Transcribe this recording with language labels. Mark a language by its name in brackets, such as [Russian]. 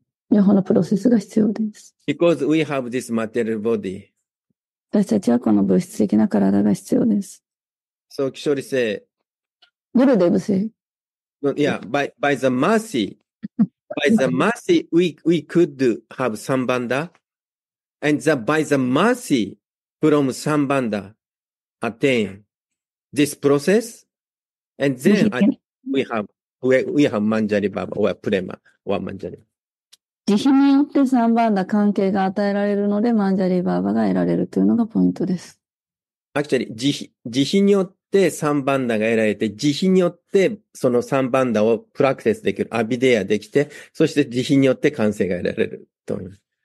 [Japanese] 両方のプロセスが必要です。 [English] Because we have this material body. [Japanese] 私たちはこの物質的な体が必要です。 [English] So, Kishori said. Gurudev said. Yeah, by the mercy, by the mercy, we could have Sambandha. And the, by the mercy from Sambandha attain this process, and then we have Manjari Bhava or Prema or Manjari. [Japanese] 慈悲によってサンバンダ関係が与えられるのでマンジャリバーバが得られるというのがポイントです。 Actually, 慈悲によってサンバンダが得られて、慈悲によってそのサンバンダをプラクティスできる、アビデアできて、そして慈悲によって完成が得られると思います。